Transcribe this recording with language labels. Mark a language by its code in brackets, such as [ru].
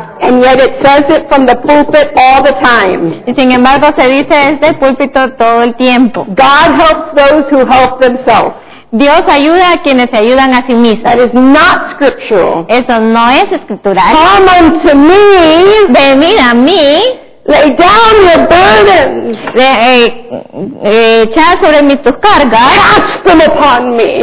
[en] And yet it says it from the pulpit all the time. [es] Y sin embargo se dice desde el púlpito todo el tiempo. [en] God helps those who help themselves. [es] Dios ayuda a quienes se ayudan a sí mismos. [en] That is not scriptural. [es] Eso no es escritural. [en] Come unto me. [es] Venid a mí. [en] Lay down your burdens. [es] Echar sobre mí tus cargas. [en] Cast them upon me.